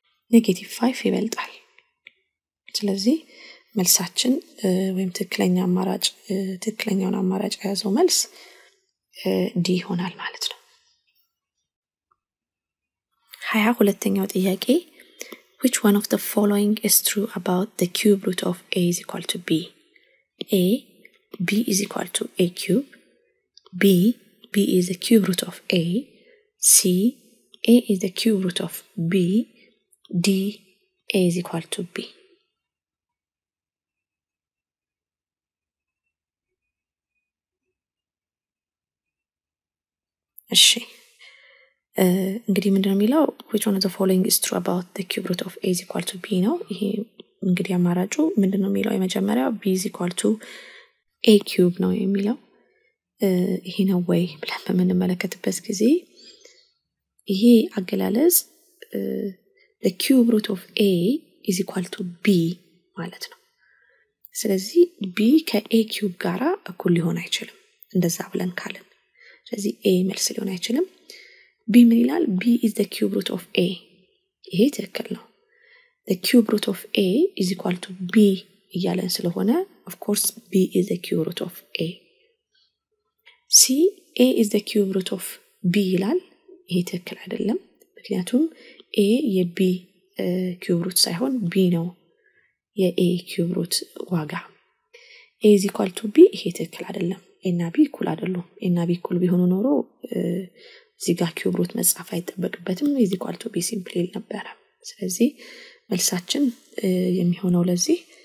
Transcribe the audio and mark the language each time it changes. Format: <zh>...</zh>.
<am>ኔጌቲቭ 5 ይበልጣል። ስለዚህ መልሳችን ወይም ትክክለኛ አማራጭ ትክክለኛውን አማራጭ ያዘው መልስ ዲ ሆናል ማለት ነው። 22ኛው ጥያቄ</am> <en>which one of the following is true about the cube root of a is equal to b? a b is equal to a cube, b b is the cube root of a, c a is the cube root of b, d a is equal to b.</en> <am>እሺ እንግዲህ ምንድነው የሚለው?</am> <en>which one of the following is true about the cube root of a is equal to b</en> <am>ነው። ይሄ እንግዲህ አማራጩ ምንድነው የሚለው? የመጀመሪያው</am> <en>b is equal to a cube</en> <am>ነው የሚለው። ይሄ ነው ወይ ብለን በምንመለከትበት ጊዜ ይሄ አገላለጽ</am> <en>the cube root of a is equal to b</en> <am>ማለት ነው። ስለዚህ b ከa cube ጋራ እኩል ሊሆን አይችልም እንደዛ ብለን ካለን ዚ a መልስ ሊሆን አይችልም። b ምን ይላል?</am> <en>b is the cube root of a</en> <am>ይሄ ትክክል ነው።</am> <en>the cube root of a is equal to b</en> <am>ይያለን ስለሆነ</am> <en>of course b is the cube root of a. c a is the cube root of b</en> <am>ይላል ይሄ ትክክል አይደለም። ምክንያቱም a የb cube root ሳይሆን b ነው የa cube root ዋጋ።</am> <en>a is equal to b</en> <am>ይሄ ትክክል አይደለም። እና b እኩል አይደለም። እና b እኩል ቢሆን ኖሮ ዚጋ ኪዩብ ሩት መጻፍ አይጠበቅበትም።</am> <en>ኢዝ ኢኳል ቱ b ሲምፕሊ</en> <am>ነበር። ስለዚህ መልሳችን የሚሆነው ለዚህ</am>